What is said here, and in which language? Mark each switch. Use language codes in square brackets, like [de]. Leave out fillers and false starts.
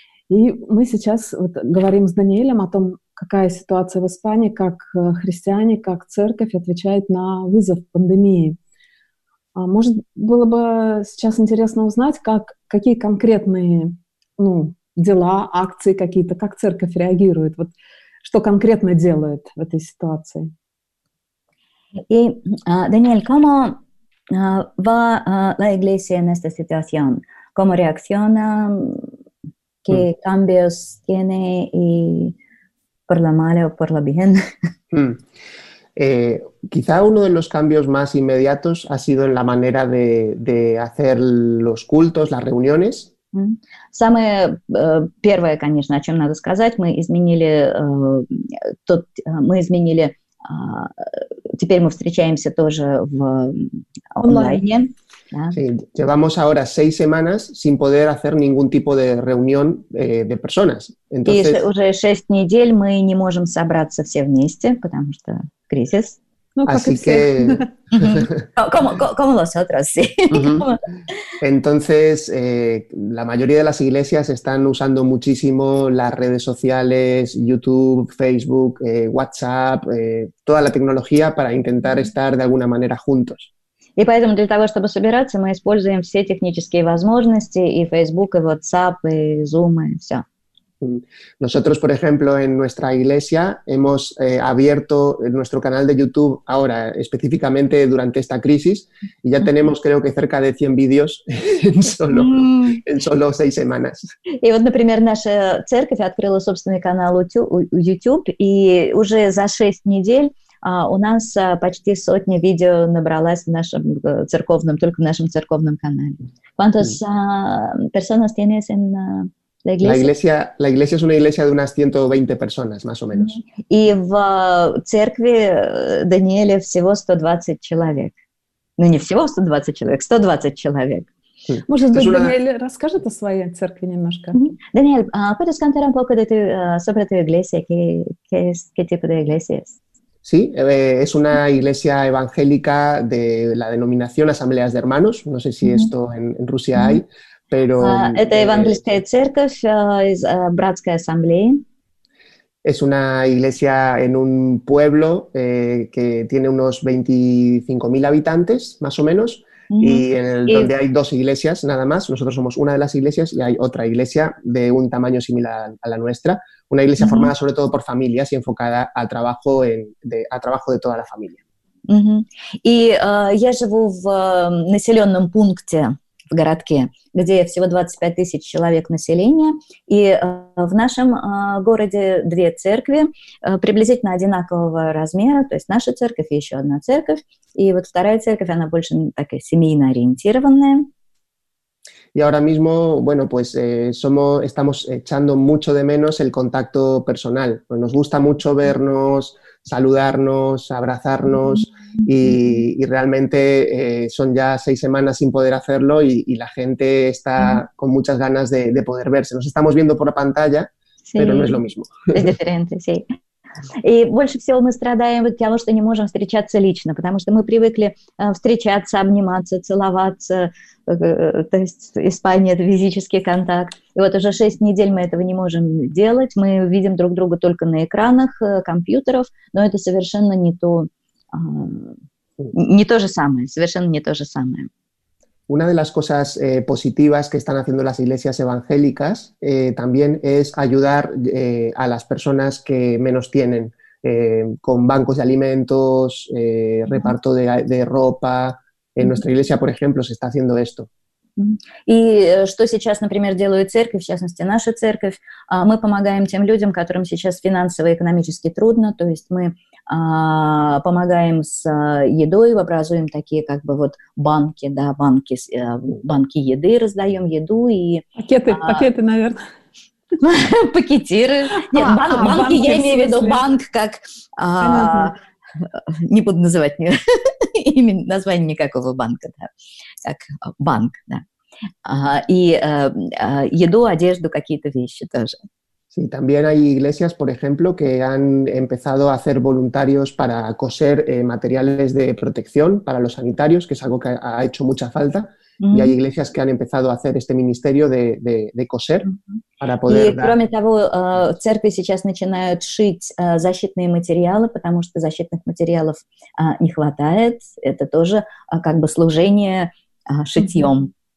[ru] И мы сейчас вот говорим с Даниэлем о том, какая ситуация в Испании, как христиане, как церковь отвечает на вызов пандемии. Может, было бы сейчас интересно узнать, какие конкретные, ну, дела, акции какие-то, как церковь реагирует, вот что конкретно делает в этой ситуации. И, [es] Даниэль, como va la iglesia en esta situación? ¿Cómo reacciona? ¿Qué cambios tiene? ¿Y por lo malo o por lo bien? Quizá uno de los cambios más inmediatos ha sido en la manera de hacer los cultos, las reuniones. [ru] Самое первое, конечно, о чем надо сказать, теперь мы встречаемся тоже в онлайне. [es] Llevamos ahora 6 semanas sin poder hacer ningún tipo de reunión de personas. Entonces, [ru] уже 6 недель мы не можем собраться все вместе, потому что кризис. [es] No, Así como que... como nosotros, sí. Entonces, la mayoría de las iglesias están usando muchísimo las redes sociales, YouTube, Facebook, WhatsApp, toda la tecnología para intentar estar de alguna manera juntos. [ru] И поэтому для того, чтобы собираться, мы используем все технические возможности и Facebook, и WhatsApp, и Zoom, и все. [es] Nosotros, por ejemplo, en nuestra iglesia hemos abierto nuestro canal de YouTube ahora, específicamente durante esta crisis, y ya tenemos creo que cerca de 100 vídeos en solo 6 semanas. [ru] И вот, например, наша церковь открыла собственный канал YouTube, и уже за 6 недель у нас почти 100 видео набралось в нашем церковном, только в нашем церковном канале. [es] ¿Cuántas personas tienes en la iglesia? La iglesia es una iglesia de unas 120 personas, más o menos. Y [ru] в церкви Даниэля всего 120 человек. Ну, не всего 120 человек, 120 человек. Может быть, Даниэль расскажет о своей церкви немножко? [es] Даниэль, ¿puedes contar un poco de sobre tu iglesia? ¿Qué tipo de iglesia es? Sí, es una iglesia evangélica de la denominación Asambleas de Hermanos. No sé si esto en Rusia hay, pero... [ru] Это евангельская церковь, братская ассамблея. [es] Es una iglesia en un pueblo que tiene unos 25.000 habitantes, más o menos, y donde hay 2 iglesias, nada más. Nosotros somos una de las iglesias y hay otra iglesia de un tamaño similar a la nuestra. Una iglesia formada sobre todo por familias y enfocada al trabajo de toda la familia. Y [ru] я живу в населенном пункте, в городке, где всего 25 тысяч человек населения. И в нашем городе 2 церкви приблизительно одинакового размера. То есть наша церковь и еще одна церковь. И вот вторая церковь, она больше такая семейно ориентированная. [es] Y ahora mismo, bueno, pues estamos echando mucho de menos el contacto personal. Pues nos gusta mucho vernos, saludarnos, abrazarnos y realmente son ya 6 semanas sin poder hacerlo y la gente está con muchas ganas de poder verse. Nos estamos viendo por la pantalla, sí, pero no es lo mismo. Es diferente, sí. [ru] И больше всего мы страдаем от того, что не можем встречаться лично, потому что мы привыкли встречаться, обниматься, целоваться, то есть Испания – это физический контакт. И вот уже 6 недель мы этого не можем делать, мы видим друг друга только на экранах компьютеров, но это совершенно не то же самое. [es] Una de las cosas positivas que están haciendo las iglesias evangélicas también es ayudar a las personas que menos tienen, con bancos de alimentos, reparto de ropa. En nuestra iglesia, por ejemplo, se está haciendo esto. [ru] И что сейчас, например, делает церковь, в частности, наша церковь? Мы помогаем тем людям, которым сейчас финансово и экономически трудно, то есть мы помогаем с едой, образуем такие как бы вот банки, да, банки еды, раздаем еду и... Пакеты, наверное. Пакетиры. Нет, банки, я имею в виду банк как... Не буду называть название никакого банка, да. Как банк, да. И еду, одежду, какие-то вещи тоже. [es] Sí, también hay iglesias, por ejemplo, que han empezado a hacer voluntarios para coser materiales de protección para los sanitarios, que es algo que ha hecho mucha falta. Y hay iglesias que han empezado a hacer este ministerio de coser para poder... Y, [ru] кроме того, церкви сейчас начинают шить защитные материалы, потому что защитных материалов не хватает. Это тоже как бы служение шитьем.